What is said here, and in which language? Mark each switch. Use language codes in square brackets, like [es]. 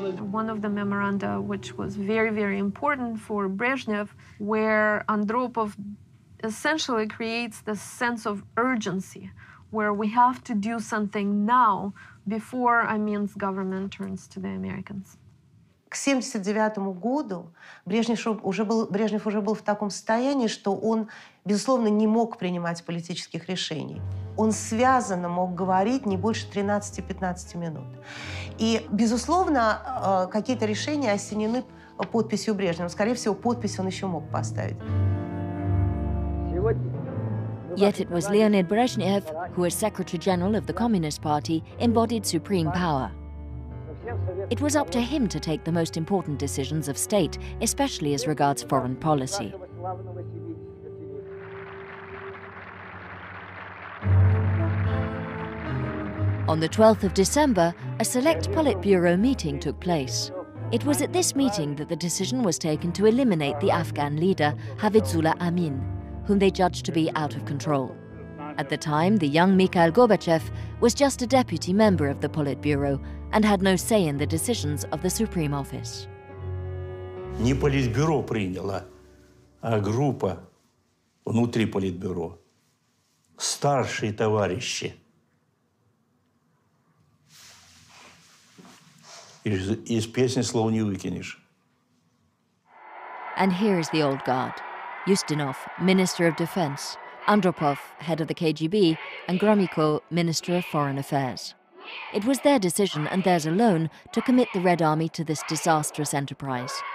[en] One of the memoranda, which was very, very important for Brezhnev, where Andropov essentially creates the sense of urgency, where we have to do something now before Amin's government turns to the Americans. [ru] К 79-му году Брежнев уже был в таком состоянии, что он, безусловно, не мог принимать политических решений. Он связанно мог говорить не больше 13-15 минут. И, безусловно, какие-то решения осенены подписью Брежнева. Скорее всего, подпись он еще мог поставить. [en] Yet it was Leonid Brezhnev, who as Secretary-General of the Communist Party, embodied supreme power. It was up to him to take the most important decisions of state, especially as regards foreign policy. On the 12th of December, a select Politburo meeting took place. It was at this meeting that the decision was taken to eliminate the Afghan leader, Hafizullah Amin, whom they judged to be out of control. At the time, the young Mikhail Gorbachev was just a deputy member of the Politburo and had no say in the decisions of the Supreme Office. [ru] Не Политбюро приняло, а группа внутри Политбюро. Старшие товарищи из песни слов не выкинешь. [en] And here is the old guard, Ustinov, Minister of Defense, Andropov, head of the KGB, and Gromyko, Minister of Foreign Affairs. It was their decision and theirs alone to commit the Red Army to this disastrous enterprise.